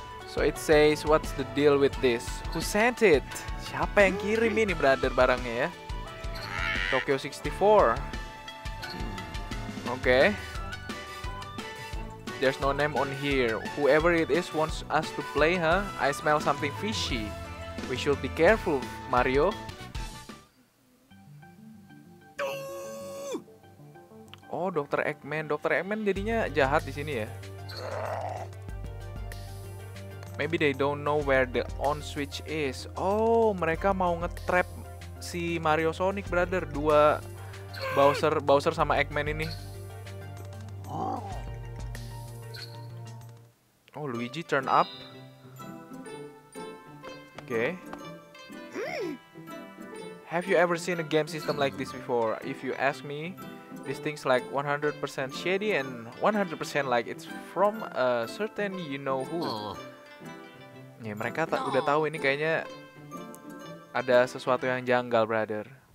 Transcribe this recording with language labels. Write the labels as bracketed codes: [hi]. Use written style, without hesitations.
[en] So it says, what's the deal with this? Who sent it? [id] Siapa yang kirim ini, brother, barangnya ya? [en] Tokyo 64. Okay. There's no name on here. Whoever it is wants us to play, huh? I smell something fishy. We should be careful, Mario. [id] Oh, Dr. Eggman. Dr. Eggman jadinya jahat di sini ya? [en] Maybe they don't know where the on switch is. [id] Oh, mereka mau nge-trap si Mario Sonic, brother. Dua Bowser sama Eggman ini. [en] Oh, Luigi turn up. [id] Oke. [en] Have you ever seen a game system like this before? If you ask me, this thing's like 100% shady and 100% like it's from a certain you know who. [id] Ya, mereka udah tahu ini kayaknya ada sesuatu yang janggal, brother.